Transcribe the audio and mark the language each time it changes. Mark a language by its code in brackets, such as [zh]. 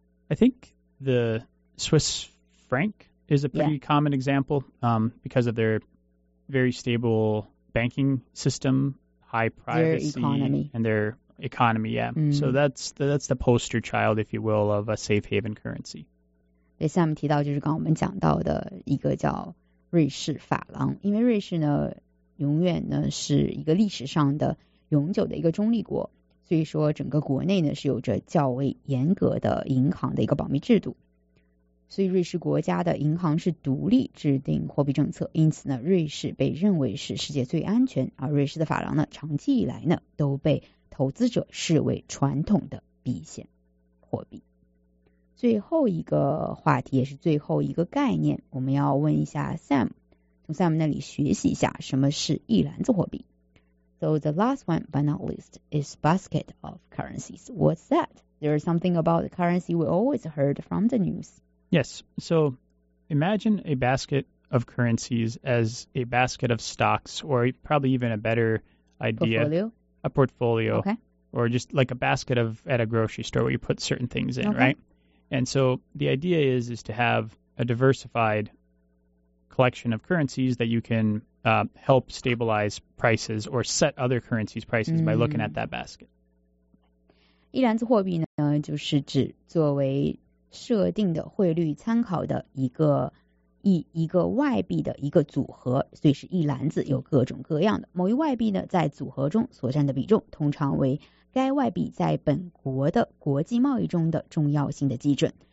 [en] I think the Swiss franc is a pretty common example, because of their very stable banking system, high privacy, and their economy, yeah. So that's the poster child, if you will, of a safe haven currency. [zh] 对，下面提到就是刚刚我们讲到的一个叫瑞士法郎，因为瑞士呢，永远呢是一个历史上的永久的一个中立国，所以说整个国内呢是有着较为严格的银行的一个保密制度，所以瑞士国家的银行是独立制定货币政策，因此呢，瑞士被认为是世界最安全，而瑞士的法郎呢，长期以来呢都被投资者视为传统的避险货币。最后一个话题也是最后一个概念，我们要问一下 Sam， 从 Sam 那里学习一下什么是一篮子货币。 [en] So the last one but not least is basket of currencies. What's that? There is something about the currency we always heard from the news. Yes, so imagine a basket of currencies as a basket of stocks, or probably even a better idea, a portfolio, okay. Or just like a basket of at a grocery store where you put certain things in, right? And so the idea is to have a diversified collection of currencies that you can help stabilize prices or set other currencies' prices by looking at that basket. [zh] 一篮子货币呢，就是指作为设定的汇率参考的一个外币的一个组合，所以是一篮子，有各种各样的。某一外币呢，在组合中所占的比重，通常为该外币在本国的国际贸易中的重要性的基准。